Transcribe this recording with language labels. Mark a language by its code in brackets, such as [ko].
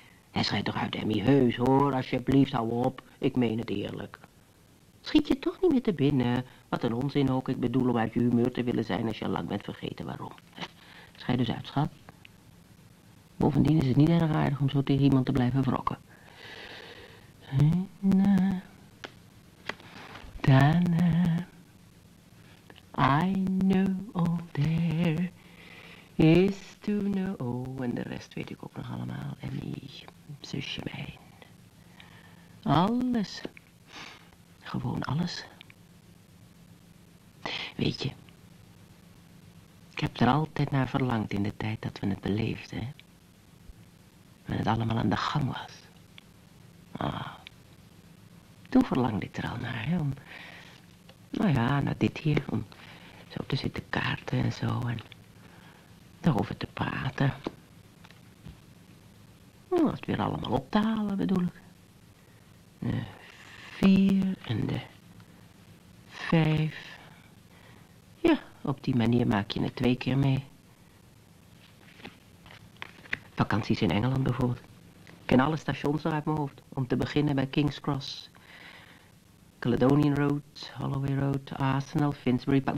[nl] Hij schrijft toch uit, Emmy, heus hoor, alsjeblieft, hou op. Ik meen het eerlijk. Schiet je toch niet meer te binnen? Wat een onzin ook. Ik bedoel om uit je humeur te willen zijn als je al lang bent vergeten waarom. Schij dus uit, schat. Bovendien is het niet erg aardig om zo tegen iemand te blijven wrokken. [en] Dana, I know all there is to know. [nl] En de rest weet ik ook nog allemaal. En die zusje mijn. Alles. Gewoon alles. Weet je, ik heb er altijd naar verlangd in de tijd dat we het beleefden. Hè? En het allemaal aan de gang was. Ah, toen verlangde ik er al naar, hè? Om, nou ja, naar dit hier, om zo te zitten kaarten en zo, en daarover te praten. Om het weer allemaal op te halen, bedoel ik. De 4 en de 5. Ja, op die manier maak je het 2 keer mee. Vakanties in Engeland bijvoorbeeld. Ik ken alle stations er uit mijn hoofd. Om te beginnen bij King's Cross. Caledonian Road, Holloway Road, Arsenal, Finsbury Park.